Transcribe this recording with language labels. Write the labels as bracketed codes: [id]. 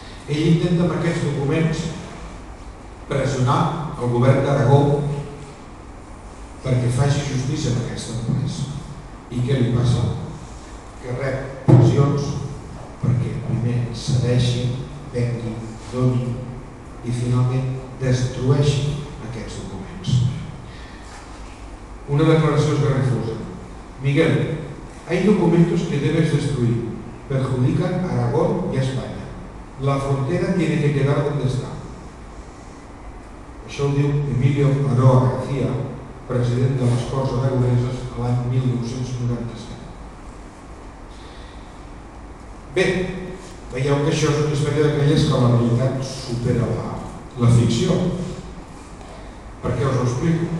[ca] Ell intenta amb aquests documents pressionar el govern d'Aragó perquè faci justícia amb aquesta empresa. I què li passa? Que rep pressions perquè primer cedeixi, vengui, doni i finalment destrueixi aquests documents. Una declaració esgarrifosa. [es] Miguel, hay documentos que debes destruir. Perjudican a Aragón y a España. La frontera tiene que quedar donde está. [ca] Això ho diu Emilio Aroa García, president de les Corts Aragoneses l'any 1997. Bé, veieu que això és una història d'aquelles que la realitat supera la ficció. Per què us ho explico?